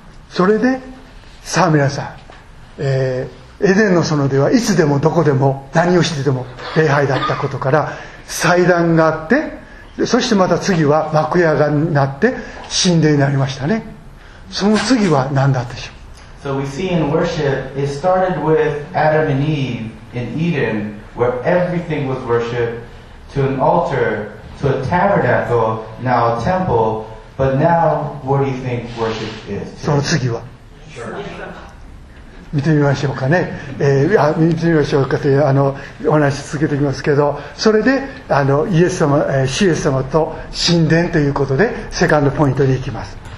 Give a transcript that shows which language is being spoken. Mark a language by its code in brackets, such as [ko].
[ja] それでさあ皆さん、エデンの園ではいつでもどこでも何をしてでも礼拝だったことから、祭壇があって、そしてまた次は幕屋がなって神殿になりましたね。その次は何だったでしょう。 [en] So we see in worship it started with Adam and Eve in Eden where everything was worshiped, to an altar, to a tabernacle, now a temple, but now what do you think worship is? [ja] その次は、見てみましょうかね、見てみましょうかというお話し続けていきますけど、それでイエス様、主イエス様と神殿ということでセカンドポイントに行きます。